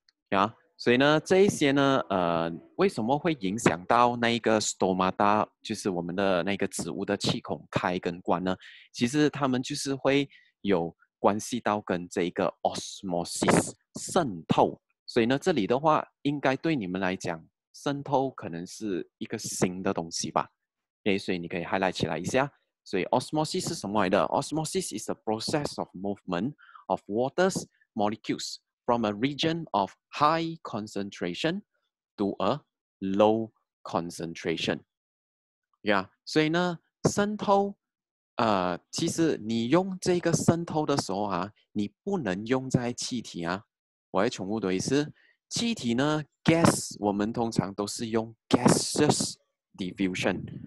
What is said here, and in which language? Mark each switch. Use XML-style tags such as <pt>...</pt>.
<zh>啊、所以呢这一些呢为什么会影响到那一个 stomata， 就是我们的那个植物的气孔开跟关呢，其实他们就是会有关系到跟这一个 osmosis 渗透，所以呢这里的话应该对你们来讲渗透可能是一个新的东西吧，Okay, 所以你可以 highlight 起来一下，所以 osmosis 是什么来的？</zh> <en>Osmosis is the process of movement of water's molecules from a region of high concentration to a low concentration.</en> <zh>Yeah, 所以呢，渗透，其实你用这个渗透的时候啊，你不能用在气体啊。我要重复读一次，气体呢 ，gas， 我们通常都是用 gaseous diffusion。</zh>